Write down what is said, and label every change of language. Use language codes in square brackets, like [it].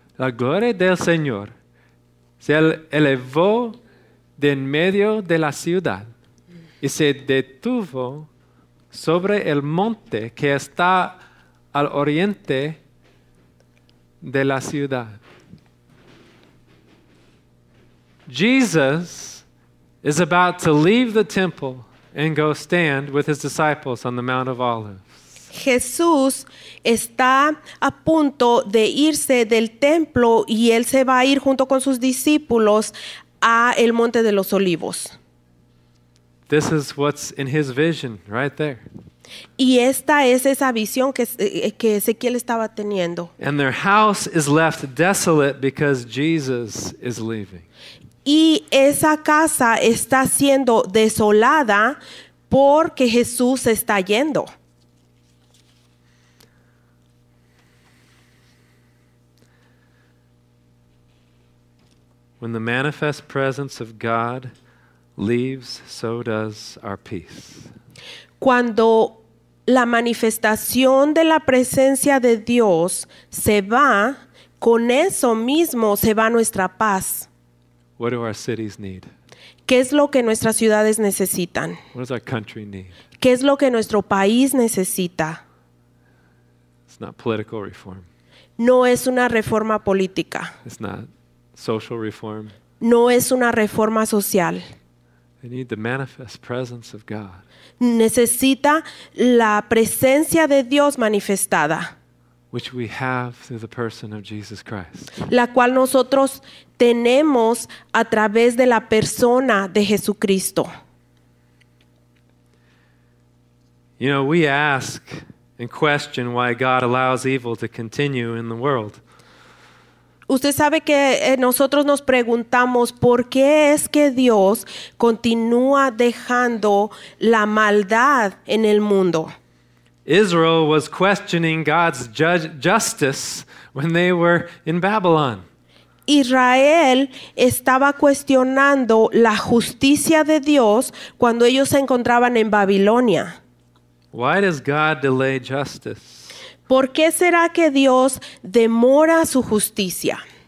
[es] La gloria del Señor se elevó de en medio de la ciudad y se detuvo sobre el monte que está al oriente de la ciudad. [en] Jesus is about to leave the temple and go stand with his disciples on the Mount of Olives. [es] Jesús está a punto de irse del templo y él se va a ir junto con sus discípulos a el Monte de los Olivos. [en] This is what's in his vision right there. [es] Y esta es esa visión que Ezequiel estaba teniendo. [en] And their house is left desolate because Jesus is leaving. [es] Y esa casa está siendo desolada porque Jesús está yendo. [en] When the manifest presence of God leaves, so does our peace. [es] Cuando la manifestación de la presencia de Dios se va, con eso mismo se va nuestra paz. [en] What do our cities need? [es] ¿Qué es lo que nuestras ciudades necesitan? [en] What does our country need? [es] ¿Qué es lo que nuestro país necesita? [en] It's not political reform. [es] No es una reforma política. [en] It's not social reform. [es] No es una reforma social. [en] They need the manifest presence of God. [es] Necesita la presencia de Dios manifestada. [en] Which we have through the person of Jesus Christ. [es] La cual nosotros tenemos a través de la persona de Jesucristo. [en] You know, we ask and question why God allows evil to continue in the world. [es] Usted sabe que nosotros nos preguntamos por qué es que Dios continúa dejando la maldad en el mundo. [en] Israel was questioning God's justice when they were in Babylon. [es] Israel estaba cuestionando la justicia de Dios cuando ellos se encontraban en Babilonia. [en] Why does God delay justice? [es] ¿Por qué será que Dios demora su justicia?